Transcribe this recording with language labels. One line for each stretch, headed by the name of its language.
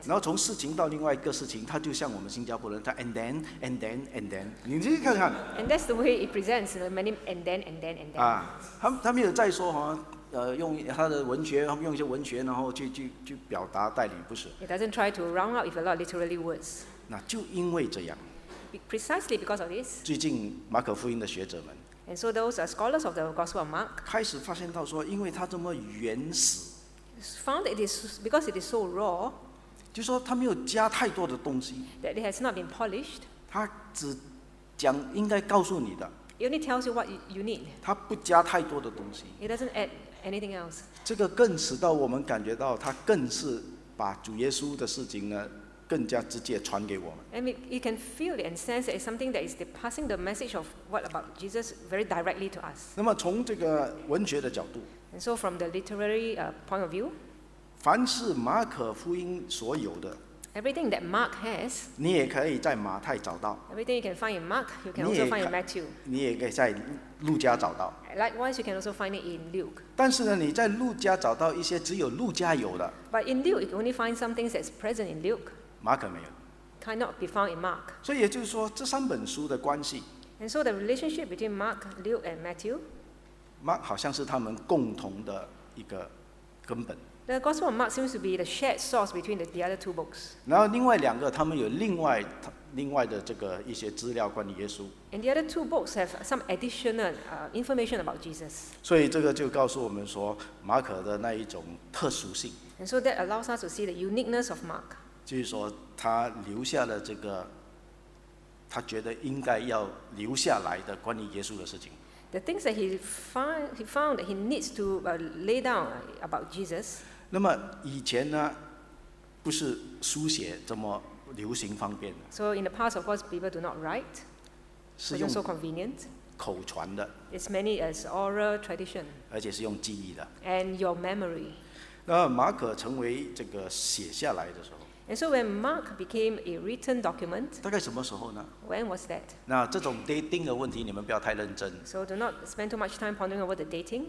Chinese: 然后从事情到另外一个事情，他就像我们新加坡人，他
English: and then,
Chinese: 你去看看。
English: And that's the way it presents, you know, many and then.
Chinese: 啊，他没有再说哈，用他的文学，他们用一些文学，然后去表达代理，不是。
English: It doesn't try to round out with a lot of literary words.
Chinese: 那就因为这样。
English: Precisely because of this.
Chinese: 最近马可福音的学者们。
English: And so those are scholars of the Gospel of Mark.
Chinese: 开始发现到说，因为他这么原始。
English: Found it is because it is so raw.
Chinese: 就说他没有加太多的东西。
English: That it has not been polished.
Chinese: 他只讲应该告诉你的。
English: It only tells you what you need.
Chinese: 他不加太多的东西。
English: It doesn't add anything else.
Chinese: 这个更使到我们感觉到，他更是把主耶稣的事情呢。更加直接传给我们。
English: And we can feel it and sense it's something that is the passing the message of what about Jesus very directly to us.
Chinese: 那么从这个文学的角度。
English: And so from the literary point of view.
Chinese: 凡是马可福音所有的。
English: Everything that Mark has.
Chinese: 你也可以在马太找到。
English: Everything you can find in Mark, you can also find in Matthew.
Chinese: 你也可以在路加找到。
English: Likewise, you can also find it in Luke.
Chinese: 但是呢，你在路加找到一些只有路加有的。
English: But in Luke, you only find some things that's present in Luke.
Chinese: 马可没有
English: ，cannot be found in Mark。
Chinese: 所以也就是说，这三本书的关系。
English: And so the relationship between Mark, Luke, and Matthew.
Chinese: Mark 好像是他们共同的一个根本。
English: The Gospel of Mark seems to be the shared source between the other two books.
Chinese: 然后另外两个，他们有另外的这个一些资料关于耶稣。
English: And the other two books have some additional information about Jesus.
Chinese: 所以这个就告诉我们说，马可的那一种特殊性。
English: And so that allows us to see the uniqueness of Mark.
Chinese: 就是说，他留下了这个，他觉得应该要留下来的关于耶稣的事情。
English: The things that he found that he needs to lay down about Jesus.
Chinese: 那么以前呢，不是书写这么流行方便的。
English: So in the past, of course, people do not write.
Chinese: 是用
English: so convenient.
Chinese: 口传的。
English: It's many as oral tradition.
Chinese: 而且是用记忆的。
English: And your memory.
Chinese: 那马可成为这个写下来的时候。
English: And so when Mark became a written document,
Chinese: 大概什么时候呢
English: ？When was that?
Chinese: 那这种 dating 的问题，你们不要太认真。
English: So do not spend too much time pondering over the dating.